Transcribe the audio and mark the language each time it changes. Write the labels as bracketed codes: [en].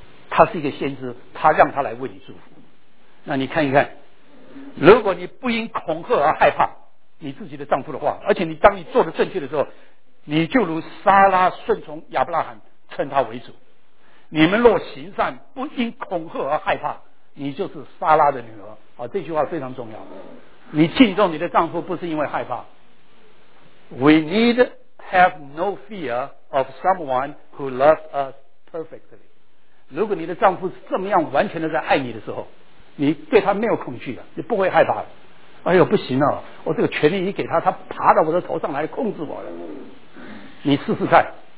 [zh] 他是一个先知，他让他来为你祝福。那你看一看，如果你不因恐吓而害怕你自己的丈夫的话，而且你当你做的正确的时候，你就如撒拉顺从亚伯拉罕称他为主。你们若行善不因恐吓而害怕，你就是撒拉的女儿。好，这句话非常重要。你敬重你的丈夫不是因为害怕。 [en] We need have no fear of someone who loves us perfectly。 [zh] 如果你的丈夫是这么样完全的在爱你的时候，你对他没有恐惧的，你不会害怕的。哎呦，不行了、啊！我这个权力一给他，他爬到我的头上来控制我了。你试试看。